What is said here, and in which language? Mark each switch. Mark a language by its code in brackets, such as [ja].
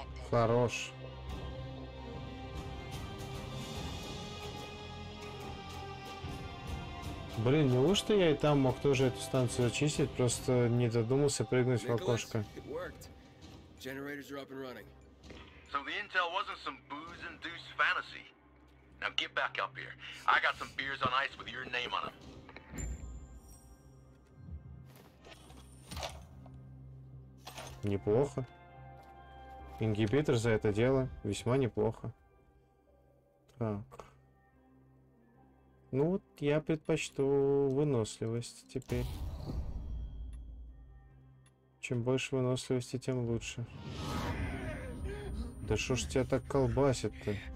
[ru] Хорош. Блин, неужто я и там мог тоже эту станцию зачистить, просто не додумался прыгнуть в окошко. [en] Generators are up and running. So the intel wasn't some booze-induced fantasy. Now get back up here. I got some beers on ice with your name on them. [ru] Неплохо. Ингибитор за это дело весьма неплохо. Так. Ну вот я предпочту выносливость теперь. Чем больше выносливости, тем лучше. Да что ж тебя так колбасит-то?